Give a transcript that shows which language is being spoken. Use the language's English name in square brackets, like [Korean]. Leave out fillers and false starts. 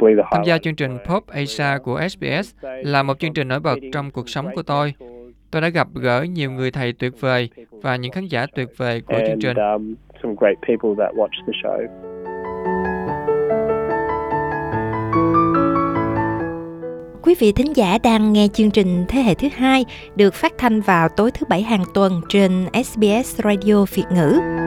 [Vietnamese] Tham gia chương trình Pop Asia của SBS là một chương trình nổi bật trong cuộc sống của tôi. Tôi đã gặp gỡ nhiều người thầy tuyệt vời và những khán giả tuyệt vời của chương trình. [English] Some great people that watch the show. [Vietnamese] Quý vị thính giả đang nghe chương trình Thế hệ thứ hai được phát thanh vào tối thứ bảy hàng tuần trên SBS Radio Việt ngữ.